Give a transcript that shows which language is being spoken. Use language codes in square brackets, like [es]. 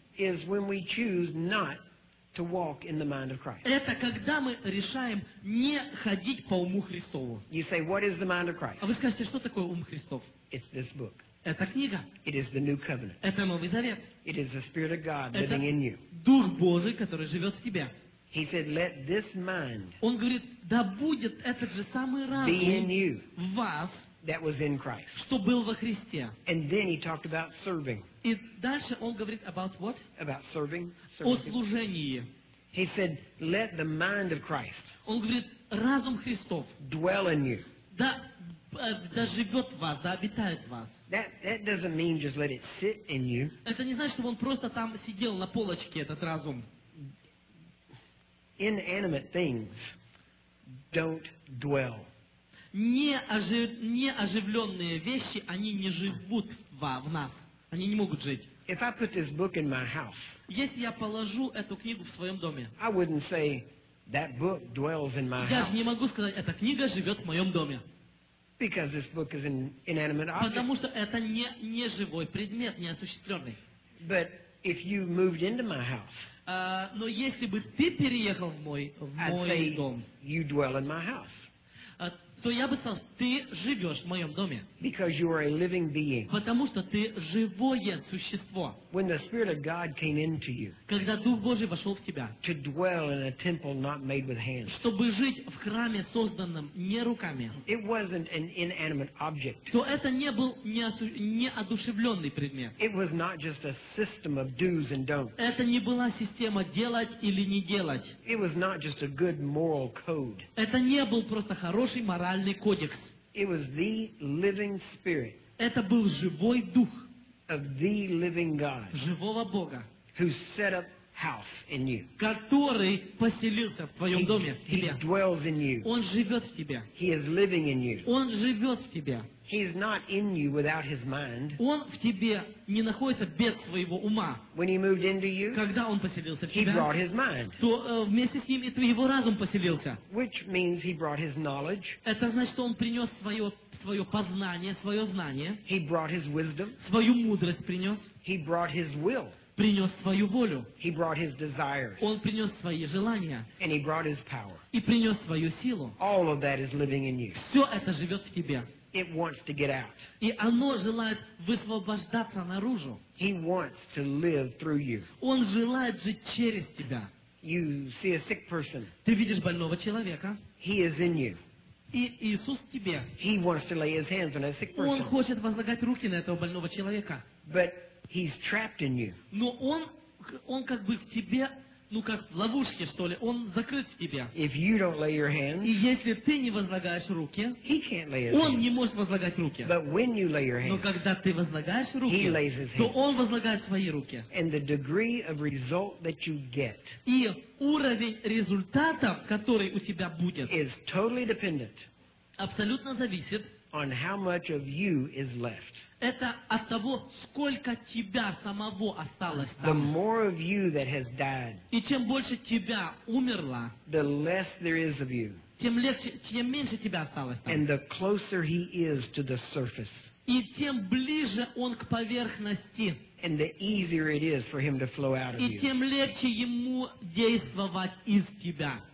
[en] is when we choose not to walk in the mind of Christ. [ru] Это когда мы решаем не ходить по уму Христову. [en] You say, what is the mind of Christ? [ru] А вы скажете, что такое ум Христов? [en] It's this book. [ru] Это книга. [en] It is the new covenant. [ru] Это Новый Завет. [en] It is the Spirit of God living in you. [ru] Дух Божий, который живет в тебе. [en] He said, let this mind, [ru] он говорит, да будет этот же самый разум, [en] be in you, [ru] в вас, [en] that was in Christ, [ru] что был во Христе. [en] And then he talked about serving. [ru] И дальше он говорит [en] about what? About serving. [ru] О служении. [en] He said, let the mind of Christ, [ru] он говорит, разум Христов, [en] dwell in you. [ru] Да живет в вас, да обитает в вас. [en] That doesn't mean just let it sit in you. [ru] Это не значит, чтобы он просто там сидел на полочке, этот разум. [en] Inanimate things don't dwell. [ru] Неоживленные вещи, они не живут в нас. Они не могут жить. [en] If I put this book in my house, [ru] если я положу эту книгу в своем доме, [en] I wouldn't say that book dwells in my house. [ru] Я же не могу сказать, эта книга живет в моем доме. [en] Because this book is an inanimate object. [ru] Потому что это не живой предмет, неосуществленный. [en] But if you moved into my house, [ru] но если бы ты переехал в мой дом, [en] you dwell in my house. [ru] То я бы сказал, ты живешь в моем доме. [en] Because you are a living being. [ru] Потому что ты живое существо. [en] When the Spirit of God came into you, [ru] когда Дух Божий вошел в тебя, [en] to dwell in a temple not made with hands, [ru] чтобы жить в храме, созданном не руками, [en] it wasn't an inanimate object. [ru] То это не был неодушевленный предмет. [en] It was not just a system of do's and don'ts. [ru] Это не была система делать или не делать. [en] It was not just a good moral code. [ru] Это не был просто хороший моральный кодекс. [en] It was the living spirit. [ru] Это был живой дух. [en] Of the living God. [ru] Живого Бога. [en] Who set up house in you. [ru] Который поселился в твоем доме. [en] He dwells in you. [ru] Он живет в тебе. [en] He is living in you. [ru] Он живет в тебе. [en] He is not in you without his mind. [ru] Он в тебе не находится без своего ума. [en] When he moved into you, [ru] когда он поселился в [en] he [ru] тебя, [en] brought his mind. [ru] То вместе с ним и твой его разум поселился. [en] Which means he brought his knowledge. [ru] Это значит, что он принес свое познание, свое знание. [en] He brought his wisdom. [ru] Свою мудрость принес. [en] He brought his will. [ru] Принес свою волю. [en] He brought his desires. [ru] Он принес свои желания. [en] And he brought his power. [ru] И принес свою силу. [en] All of that is living in you. [ru] Все это живет в тебе. [en] It wants to get out. [ru] И оно желает высвобождаться наружу. [en] He wants to live through you. [ru] Он желает жить через тебя. [en] You see a sick person. [ru] Ты видишь больного человека. [en] He is in you. [ru] И Иисус в тебе. [en] He wants to lay his hands on a sick person. [ru] Он хочет возлагать руки на этого больного человека. [en] But he's trapped in you. [ru] Но он как бы в тебе ну как в ловушке, что ли, он закрыт в тебя. [en] If you don't lay your hands, [ru] и если ты не возлагаешь руки, [en] he can't lay his [ru] он [en] hands. [ru] Не может возлагать руки. [en] But when you lay your hands, [ru] но когда ты возлагаешь руки, [en] he lays his hands. [ru] То он возлагает свои руки. [en] And the degree of result that you get, [ru] и уровень результатов, который у тебя будет, [en] is totally dependent, [ru] абсолютно зависит, [en] on how much of you is left. [ru] Это от того, сколько тебя самого осталось там. [en] The more of you that has died, [ru] и чем больше тебя умерло, [en] the less there is of you. [ru] Тем легче, тем меньше тебя осталось там. [en] And the closer he is to the surface, [ru] и тем ближе он к поверхности, [en] and the easier it is for him to flow out of you. [ru] И тем легче ему действовать из тебя.